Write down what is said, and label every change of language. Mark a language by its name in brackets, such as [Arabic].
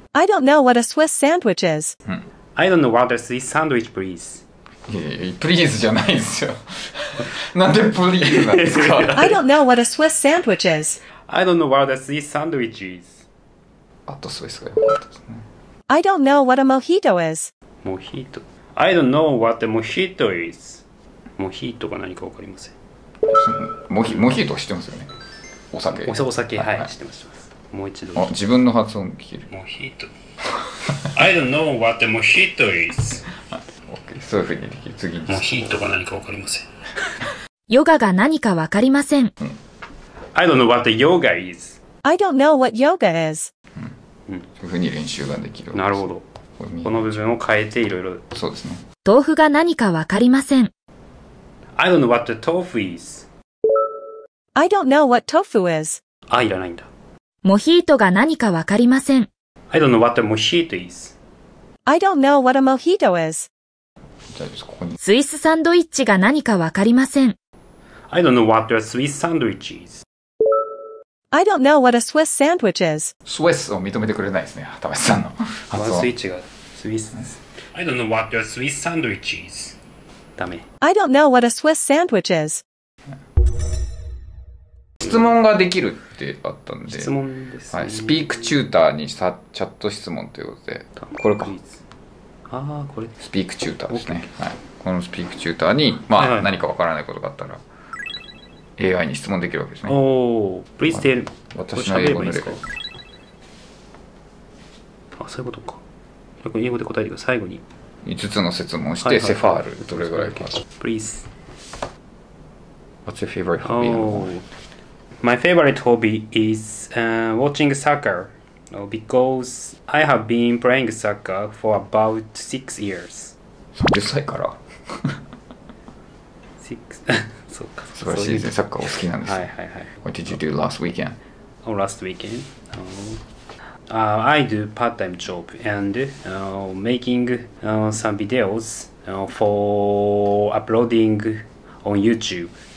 [English] I don't know what a Swiss sandwich is、うん、 I don't know what a Swiss sandwich please、 [Japanese] please じゃないですよなんで please なんですか [English] I don't know what a Swiss sandwich is I don't know what a Swiss sandwich is. [Japanese] あとスイスが良かったですね。 [English] I don't know what a mojito is. モヒート。I don't know what a mojito is. [Japanese] モヒートが何か分かりません。モヒートは知ってますよね。お酒。お酒、はい、はい、知ってます。もう一度。あ、自分の発音聞ける。 [English] モヒート。I don't know what a mojito is. [Japanese] OK、そういうふうにできる。次に。モヒートが何か分かりません。ヨガが何か分かりません。うん、 [English] I don't know what the yoga is. I don't know what yoga is. うん、うん、 [Japanese] そういうふうに練習ができる。なるほど。この部分を変えていろいろ。そうですね。豆腐が何かわかりません。 [English] I don't know what the tofu is. I don't know what tofu is. [Japanese] あ、いらないんだ。モヒートが何かわかりません。 [English] I don't know what the mojito is. I don't know what a mojito is. [Japanese] じゃあここに。スイスサンドイッチが何かわかりません。 [English] I don't know what the Swiss sandwich is. I don't know what a Swiss sandwich is. [Japanese] Swiss を認めてくれないですね、タメさんの。あ、スイッチが Swiss。 [English] I don't know what a Swiss sandwich is. [Japanese] ダメ。 [English] I don't know what a Swiss sandwich is. [Japanese] 質問ができるってあったんで。質問ですね。はい、スピークチューターにチャット質問ということで。これか。ああ、これ。スピークチューターですね。はい、このスピークチューターに、まあ、はいはい、何かわからないことがあったら。 AI に質問できるわけですね。 [English] おお、please tell me. [Japanese] 私の英語のレベル。あ、そういうことか。これ英語で答えてください。最後に。 5つの質問をして、セファール、どれぐらいか。 [English] Please. What's your favorite hobby? My favorite hobby is watching soccer. Because I have been playing soccer for about 6 years. [Japanese] 10歳から ?6 そっか、素晴らしいですね。サッカーお好きなんです。はいはいはい。 [English] What did you do last weekend? Oh, last weekend. I do part-time job and making some videos for uploading on YouTube.